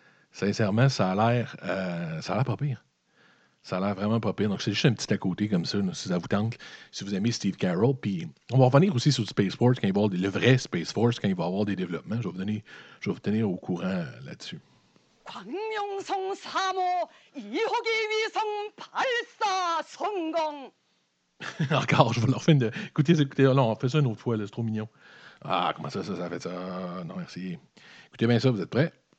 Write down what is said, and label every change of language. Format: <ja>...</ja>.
<fr>Sincèrement, ça a l'air pas pire. Ça a l'air vraiment pas pire. Donc, c'est juste un petit à côté comme ça, là, si ça vous tente, si vous aimez Steve Carell. Puis, on va revenir aussi sur Space Force, quand il va avoir le vrai Space Force, quand il va avoir des développements. Je vais vous tenir au courant là-dessus.</fr> <ko>광명성 3호 2호기 위성 발사 성공.</ko> <fr>Encore, je vais leur faire une... Écoutez, non, on fait ça une autre fois, là, c'est trop mignon. Ah, comment ça, ça fait ça? Non, merci. Écoutez bien ça, vous êtes prêts?</fr>